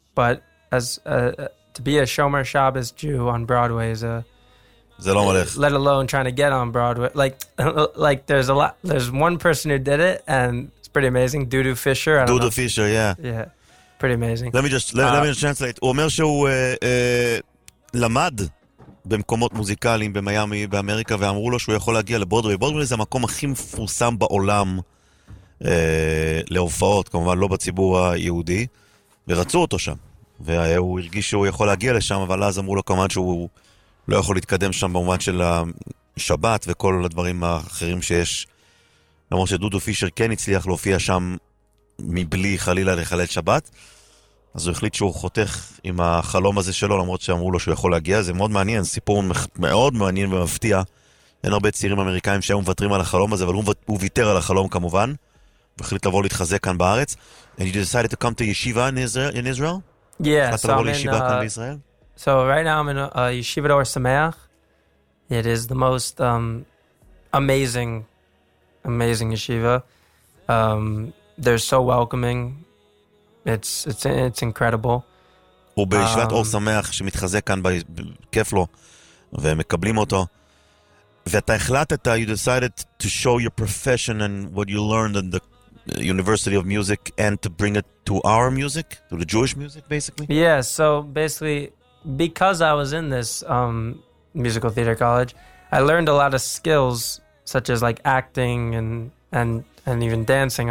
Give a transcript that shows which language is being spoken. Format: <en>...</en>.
<en>But to be a Shomer Shabbos Jew on Broadway is a...</en> <he>זה לא הולך.</he> <en>Let alone trying to get on Broadway. Like there's a lot, there's one person who did it, and it's pretty amazing, Dudu Fisher. Dudu Fisher, yeah. Yeah, pretty amazing. Let me just translate.</en> <he>הוא אומר שהוא למד במקומות מוזיקליים במיאמי, באמריקה, ואמרו לו שהוא יכול להגיע לברודווי. ברודווי זה המקום הכי מפורסם בעולם להופעות, כמובן לא בציבור היהודי, ורצו אותו שם. והוא הרגיש שהוא יכול להגיע לשם, אבל אז אמרו לו כמובן שהוא לא יכול להתקדם שם במובן של השבת וכל הדברים האחרים שיש. למרות שדודו פישר כן הצליח להופיע שם מבלי חלילה לחלל שבת, אז הוא החליט שהוא חותך עם החלום הזה שלו, למרות שאמרו לו שהוא יכול להגיע. זה מאוד מעניין, סיפור מאוד מעניין ומפתיע. אין הרבה צעירים אמריקאים שהם מוותרים על החלום הזה, אבל הוא ויתר על החלום כמובן, והחליט לבוא להתחזק כאן בארץ.</he> <en>And you decided to come to yeshiva in Israel? Yeah, so I'm in... So right now I'm in Yeshiva Or Sameach. It is the most amazing yeshiva. They're so welcoming. It's incredible.</en> <he>הוא בישיבת אור שמח שמתחזק כאן בכיף לו, ומקבלים אותו. ואתה החלטת,</he> <en>you decided to show your profession and what you learned in the University of Music and to bring it to our music, to the Jewish music, basically? Yeah, so basically, because I was in this musical theater college, I learned a lot of skills, such as like acting and even dancing.</en>